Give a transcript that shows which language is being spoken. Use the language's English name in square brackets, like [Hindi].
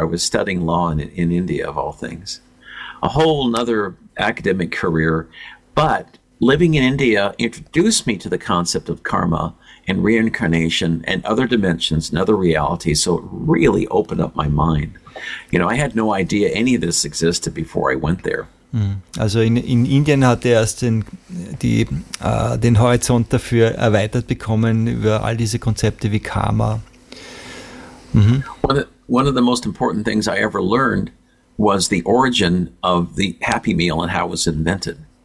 [English] I was studying law in India, of all things. A whole nother academic career. But living in India introduced me to the concept of karma and reincarnation and other dimensions and other realities. So it really opened up my mind. You know, I had no idea any of this existed before I went there. [German] Also in Indien hat er erst den Horizont dafür erweitert bekommen über all diese Konzepte wie Karma. Mm-hmm. [English] One of the most important things I ever learned was the origin of the Happy Meal and how it was invented.